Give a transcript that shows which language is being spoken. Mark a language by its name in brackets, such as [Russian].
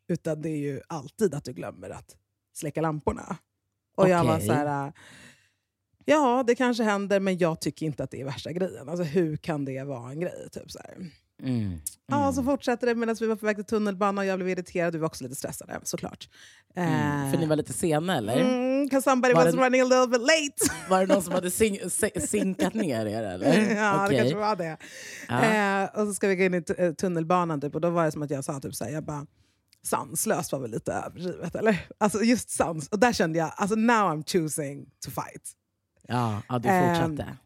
[Swedish] Utan det är ju alltid att du glömmer att släcka lamporna. Och jag var så här... Ja, det kanske händer, men jag tycker inte att det är värsta grejen. Alltså, hur kan det vara en grej? Typ så här. Ja, så fortsätter det medan vi var på väg till tunnelbanan och jag blev irriterad. Du var också lite stressade, såklart. För ni var lite sena, eller? [English] Because somebody was running a little bit late. [Swedish] Var det någon som hade sinkat ner er, eller? Ja, det kanske var det. Och så ska vi gå in i tunnelbanan, typ, och då var det som att jag sa typ så här, jag bara... Sanslöst var väl lite överdrivet, eller? Alltså, just sans. Och där kände jag, alltså, [English] now I'm choosing to fight. [Swedish] Ja, du fortsatte.